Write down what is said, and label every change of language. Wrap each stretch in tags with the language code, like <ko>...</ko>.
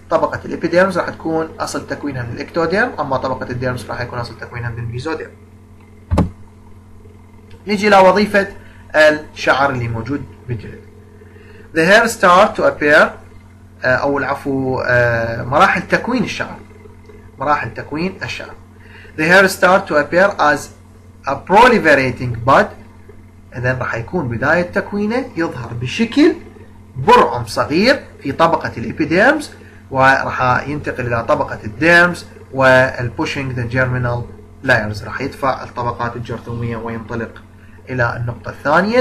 <ar>طبقة الإبيديرمز راح تكون أصل تكوينها من الإكتوديرم، أما طبقة الديرمز راح يكون أصل تكوينها من الميزوديرم. نجي لوظيفة الشعر اللي موجود بالجلد.</ar> <en>The hair start to appear</en> <ar>أو العفو مراحل تكوين الشعر. مراحل تكوين الشعر.</ar> <en>The hair start to appear as a proliferating bud.</en> <ar>إذن راح يكون بداية تكوينه يظهر بشكل برعم صغير في طبقة الإبيديرمز، وراح ينتقل إلى طبقة الديرمز</ar> <en>والبوشينج the germinal layers,</en> <ar>راح يدفع الطبقات الجرثومية وينطلق إلى النقطة الثانية.</ar>